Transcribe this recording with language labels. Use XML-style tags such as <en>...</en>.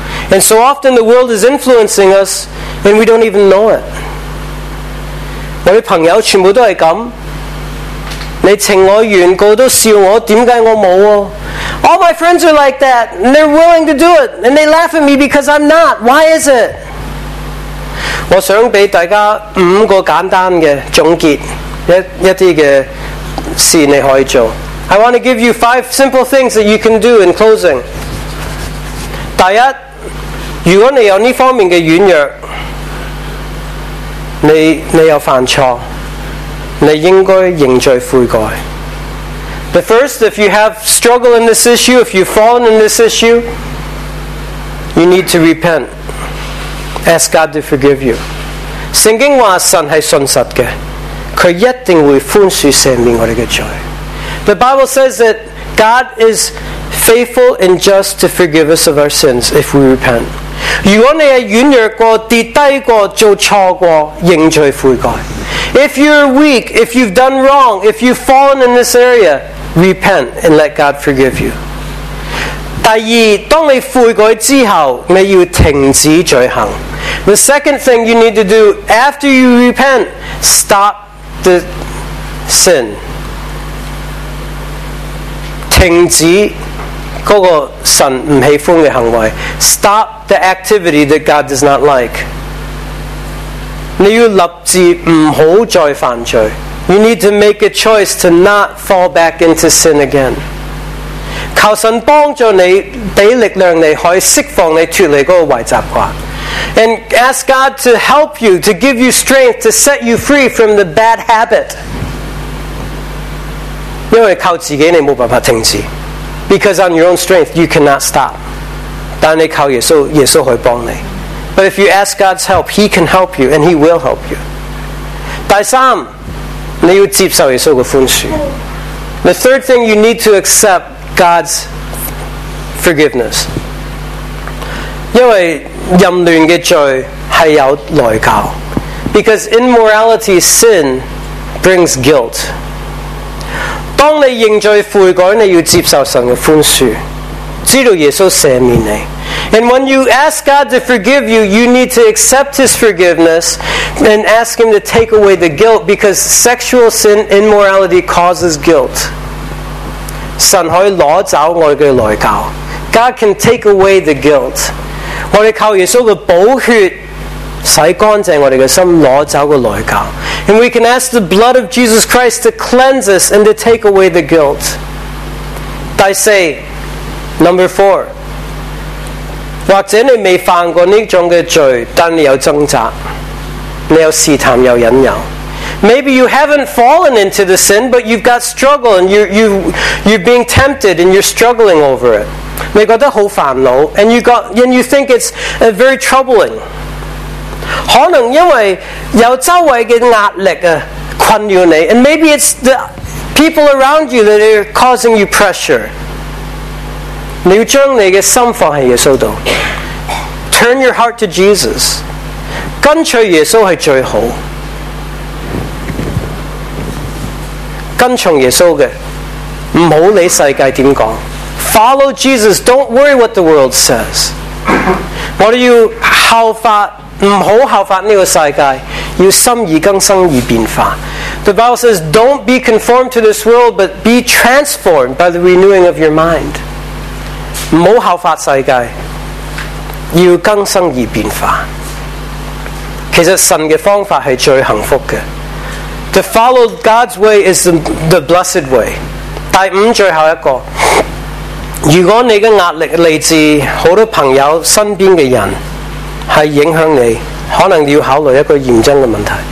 <en>And so often the world is influencing us and we don't even know it.</en> <zh>我的朋友全部都是这样，你情我愿，个都笑我，点解我冇啊？</zh> <en>All my friends are like that, and they're willing to do it, and they laugh at me because I'm not. Why is it?</en> <zh>我想俾大家五个简单嘅总结，一啲嘅事你可以做。</zh> <en>I want to give you five simple things that you can do in closing.</en> <zh>第一，如果你有呢方面嘅软弱，你有犯错，你应该认罪悔改。</zh> <en>The first, if you have struggle in this issue, if you've fallen in this issue, you need to repent. Ask God to forgive you.</en> <zh>圣经话神是信实的，他一定会宽恕赦免我们的罪。</zh> <en>The Bible says that God is faithful and just to forgive us of our sins if we repent.</en> <zh>如果你是软弱过，跌低过，做错过，认罪悔改。</zh> <en>If you're weak, if you've done wrong, if you've fallen in this area, repent and let God forgive you.</en> <zh>第二，当你悔改之后，你要停止罪行。</zh> <en>The second thing you need to do after you repent, stop the sin.</en> <zh>停止那个神不喜欢的行为。</zh> <en>Stop the activity that God does not like.</en> <zh>你要立志不要再犯罪。</zh> <en>You need to make a choice to not fall back into sin again.</en> <zh>求神帮助你，俾力量你可以释放你脱离嗰个坏习惯。</zh> <en>And ask God to help you, to give you strength, to set you free from the bad habit.</en> <zh>因为靠自己你冇办法停止。</zh> <en>Because on your own strength, you cannot stop.</en> <zh>但你靠耶稣，耶稣会帮你。</zh> <en>But if you ask God's help, He can help you and He will help you.</en> <zh>第三，你要接受耶稣的宽恕。</zh> <en>The third thing, you need to accept God's forgiveness.</en> <zh>因为淫乱的罪是有代价。</zh> <en>Because immorality, sin, brings guilt.</en> <zh>当你认罪悔改，你要接受神的宽恕，知道耶稣赦免你。</zh> <en>And when you ask God to forgive you, you need to accept His forgiveness and ask Him to take away the guilt because sexual sin, immorality causes guilt.</en> <zh>神可以拿走我的内疚。</zh> <en>God can take away the guilt.</en> <zh>我们靠耶稣的宝血洗干净我们的心，拿走个内疚。</zh> <en>And we can ask the blood of Jesus Christ to cleanse us and to take away the guilt.</en> <zh>第四，</zh> <en>number four.</en> <zh>或者你未犯过呢种嘅罪，但你有挣扎，你有试探，有引诱。</zh> <en>Maybe you haven't fallen into the sin, but you've got struggle and you're being tempted and you're struggling over it.</en> <zh>你觉得好烦恼</zh> <en>and you think it's very troubling.</en> <zh>可能因为有周围嘅压力啊困扰你</zh> <en>，and maybe it's the people around you that are causing you pressure.</en> <zh>你要将你的心放在耶稣里。</zh> <en>Turn your heart to Jesus.</en> <zh>跟随耶稣是最好。跟从耶稣的，不要理世界怎么说。</zh> <en>Follow Jesus. Don't worry what the world says.</en> <zh>我们要效法，不要效法这个世界，要心意更新而变化。</zh> <en>The Bible says, don't be conformed to this world, but be transformed by the renewing of your mind.</en> <zh>不要效法世界，要更新而变化。其实神的方法是最幸福的。</zh> <en>To follow God's way is the blessed way.</en> <zh>第五最后一个，如果你的压力来自很多朋友身边的人，是影响你，可能要考虑一个严重的问题。</zh>